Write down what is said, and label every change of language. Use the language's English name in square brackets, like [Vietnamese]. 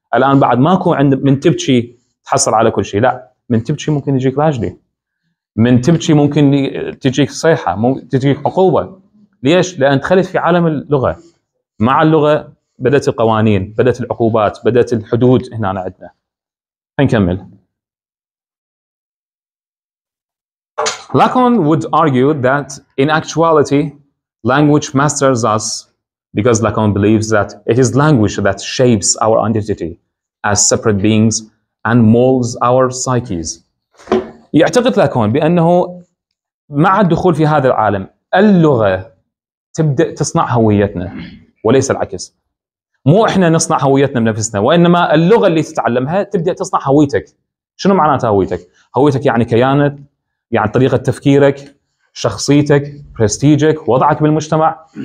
[Arabic] الآن بعد ماكو عند من تبكي تحصل على كل شيء، لا، من تبكي ممكن يجيك راجلي، من تبكي ممكن تجيك صيحة، تجيك عقوبة، ليش؟ لأن دخلت في عالم اللغة، مع اللغة بدأت القوانين، بدأت العقوبات، بدأت الحدود هنا عندنا. نكمل. [English] Lacan would argue that in actuality language masters us because Lacan believes that it is language that shapes our identity as separate beings and molds our psyches. [Arabic] يعتقد لاكون بأنه مع الدخول في هذا العالم اللغة تبدأ تصنع هويتنا وليس العكس. مو احنا نصنع هويتنا بنفسنا، وانما اللغة اللي تتعلمها تبدأ تصنع هويتك. شنو معناتها هويتك؟ هويتك يعني كيانك، يعني طريقة تفكيرك، شخصيتك، برستيجك، وضعك بالمجتمع.